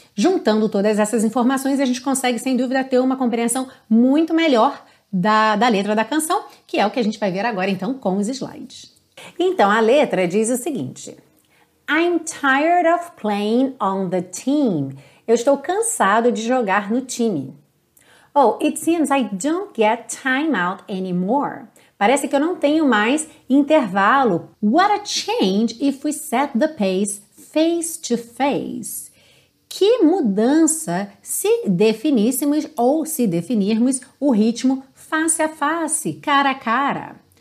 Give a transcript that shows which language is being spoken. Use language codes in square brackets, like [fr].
[pt] Juntando todas essas informações, a gente consegue, sem dúvida, ter uma compreensão muito melhor da letra da canção, que é o que a gente vai ver agora então com os slides. Então, a letra diz o seguinte: [en] I'm tired of playing on the team. [pt] Eu estou cansado de jogar no time. [en] Oh, it seems I don't get time out anymore. [pt] Parece que eu não tenho mais intervalo. [en] What a change if we set the pace face to face. [pt] Que mudança se definíssemos ou se definirmos o ritmo face a face, cara a cara.